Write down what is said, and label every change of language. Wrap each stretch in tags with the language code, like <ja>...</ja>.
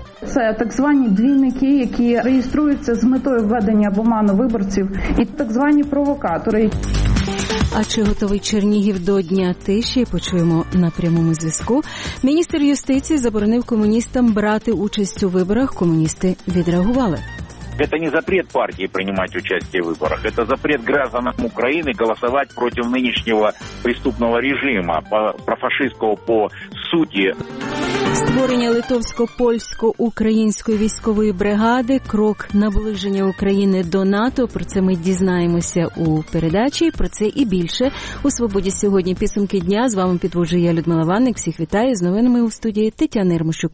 <uk>Це так звані двійники, які реєструються з метою введення в оману виборців, і так звані провокатори. А чи готовий Чернігів до дня тиші, почуємо на прямому зв'язку. Міністр юстиції заборонив комуністам брати участь у виборах, комуністи відреагували.</uk> <ru>Это не запрет партии принимать участие в выборах. Это запрет гражданам Украины голосовать против нынешнего преступного режима, профашистского по сути.</ru> <uk>Створення литовсько-польсько-української військової бригади – крок наближення України до НАТО. Про це ми дізнаємося у передачі. Про це і більше. У «Свободі сьогодні» підсумки дня. З вами підводжу я, Людмила Ванник. Всіх вітаю. З новинами у студії Тетяна Ірмощук.</uk>